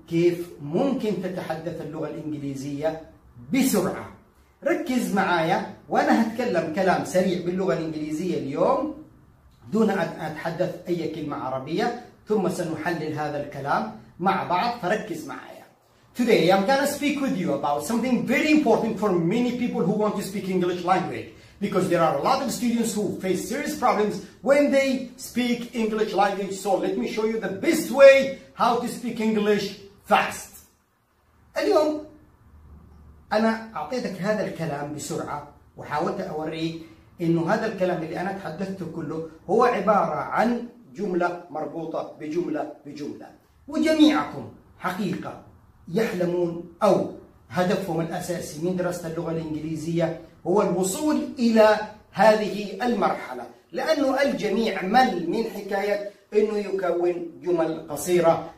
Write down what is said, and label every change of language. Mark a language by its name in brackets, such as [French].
[Arabic] كيف ممكن تتحدث اللغة الإنجليزية بسرعة. ركز معايا وأنا هتكلم كلام سريع باللغة الإنجليزية اليوم دون أن أتحدث أي كلمة عربية، ثم سنحلل هذا الكلام مع بعض، فركز معايا. [English] Today I'm gonna speak with you about something very important for many people who want to speak English language. Because there are a lot of students who face serious problems when they speak English language. So let me show you the best way how to speak English fast. [Arabic] اليوم أنا أعطيتك هذا الكلام بسرعة وحاولت أوريك إنه هذا الكلام اللي أنا تحدثته كله هو عبارة عن جملة مربوطة بجملة بجملة. وجميعكم حقيقة يحلمون أو هدفهم الأساسي من دراسة اللغة الإنجليزية هو الوصول إلى هذه المرحلة، لأنه الجميع مل من حكاية إنه يكون جمل قصيرة.